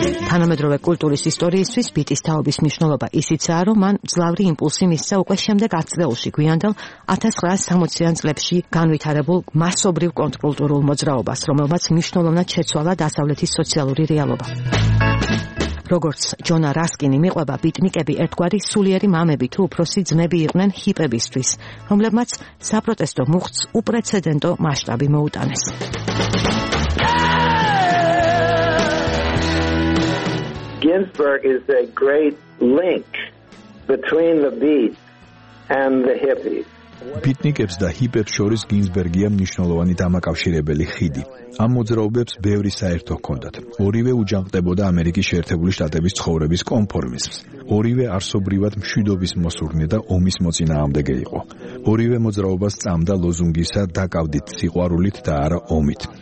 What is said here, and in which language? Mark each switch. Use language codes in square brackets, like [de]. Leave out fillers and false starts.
[ka] თანამედროვე კულტურის ისტორიისთვის ბიტის თაობის მნიშვნელობა ისიცაა, რომ მან ძლავრი იმპულსი მისცა უკვე შემდეგ ათწლეულში, გვიანდელ 1960-იან წლებში განვითარებულ მასობრივ კონტრკულტურულ მოძრაობას, რომელმაც მნიშვნელოვნად შეცვალა დასავლეთის სოციალური რეალობა. როგორც ჯონა რასკინი მიყვება, ბიტნიკები ერთგვარი სულიერი მამები თუ უფროსი ძმები იყვნენ ჰიპებისთვის, რომლებმაც საპროტესტო მუხტს უპრეცედენტო მასშტაბი მოუტანეს. [en] Ginsberg is a great link between the beat and the hippies. [ka] ბიტნიკებს და ჰიპებს შორის გინსბერგია მნიშვნელოვანი დამაკავშირებელი ხიდი. ამ მოძრაობებს ბევრი საერთო ჰქონდათ. ორივე უჯანყდებოდა ამერიკის შეერთებული შტატების ცხოვრების კონფორმიზმს. ორივე არსობრივად მშვიდობის მოსურნე და ომის მოწინააღმდეგე იყო. ორივე მოძრაობას წამდა ლოზუნგისა „დაკავდით სიყვარულით და არა ომით“.